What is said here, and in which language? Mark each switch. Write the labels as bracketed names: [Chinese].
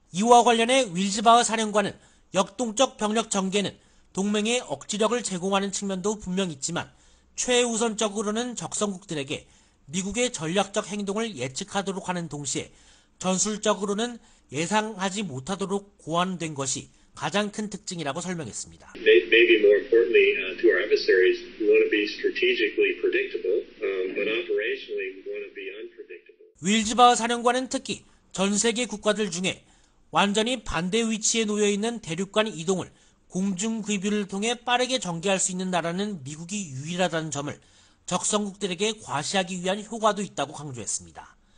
[Korean] 이와 관련해 윌즈바흐 사령관은 역동적 병력 전개는 동맹의 억지력을 제공하는 측면도 분명 있지만 최우선적으로는 적성국들에게 미국의 전략적 행동을 예측하도록 하는 동시에 전술적으로는 예상하지 못하도록 고안된 것이 가장 큰 특징이라고 설명했습니다. [English] Maybe more importantly to our adversaries, we want to be strategically predictable, but operationally we want to be unpredictable. [Korean] 윌즈바흐 사령관은 특히 전 세계 국가들 중에 완전히 반대 위치에 놓여 있는 대륙 간 이동을 공중 귀비를 통해 빠르게 전개할 수 있는 나라는 미국이 유일하다는 점을 적성국들에게 과시하기 위한 효과도 있다고 강조했습니다.